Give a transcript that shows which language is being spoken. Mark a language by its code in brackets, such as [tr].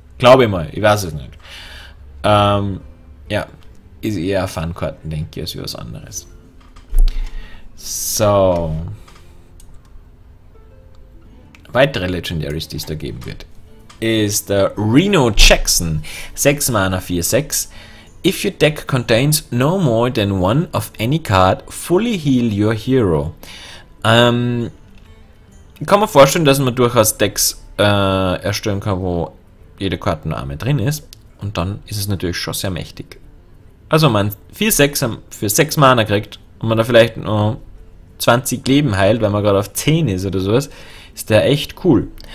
[de] Glaube ich mal, ich weiß es nicht. Ja. Ist eher ein Fun-Karten, denke ich, als was anderes. So. Weitere Legendaries, die es da geben wird, ist der Reno Jackson. 6 Mana, 4-6. [en] If your deck contains no more than one of any card, fully heal your hero. [de] Kann man vorstellen, dass man durchaus Decks erstellen kann, wo jede Karte nur einmal drin ist. Und dann ist es natürlich schon sehr mächtig. Also wenn man 4-6 für 6 Mana kriegt und man da vielleicht noch 20 Leben heilt, weil man gerade auf 10 ist oder sowas, ist der echt cool.